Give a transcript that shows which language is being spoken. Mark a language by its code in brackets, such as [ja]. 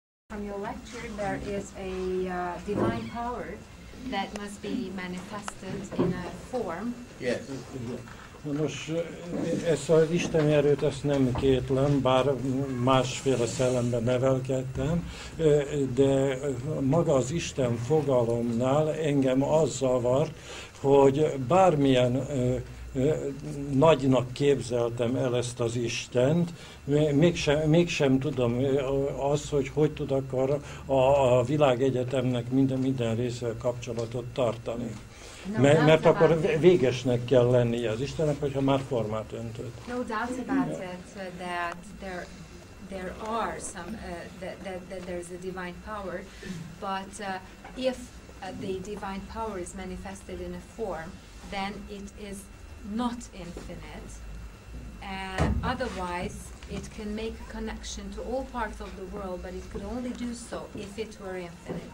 [en] From your lecture, there is a divine power that must be manifested in a form. Yes. [hu] Na most ez az Isten erőt, ezt nem kétlem, bár másféle szellemben nevelkedtem, de maga az Isten fogalomnál engem az zavart, hogy bármilyen nagynak képzeltem el ezt az Istent, mégsem tudom azt, hogy tud akkor a világegyetemnek minden részével kapcsolatot tartani. Mert akkor végesnek kell lennie az Istennek, hogyha már formát öntött. [en] No doubt about it that there are some that there's a divine power, but if the divine power is manifested in a form, then it is not infinite. And otherwise it can make a connection to all parts of the world, but it could only do so if it were infinite.